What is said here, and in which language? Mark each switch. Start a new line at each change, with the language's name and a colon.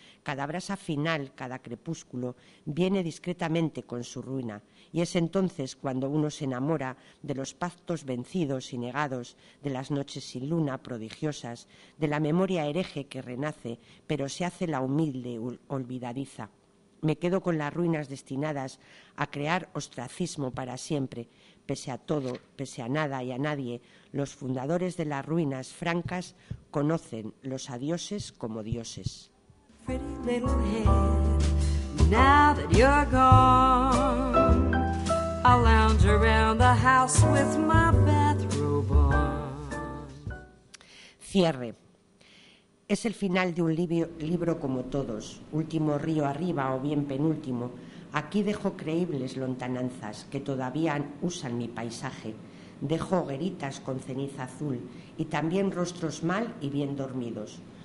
Spanish: Cada brasa final, cada crepúsculo, viene discretamente con su ruina, y es entonces cuando uno se enamora de los pactos vencidos y negados, de las noches sin luna prodigiosas, de la memoria hereje que renace, pero se hace la humilde olvidadiza. Me quedo con las ruinas destinadas a crear ostracismo para siempre. Pese a todo, pese a nada y a nadie, los fundadores de las ruinas francas conocen los adioses como dioses.
English: Pretty little head, now that you're gone, I'll lounge around the house with my bathrobe on.
Spanish: Cierre. Es el final de un libro como todos, último río arriba o bien penúltimo. Aquí dejo creíbles lontananzas que todavía usan mi paisaje. Dejo hogueritas con ceniza azul y también rostros mal y bien dormidos.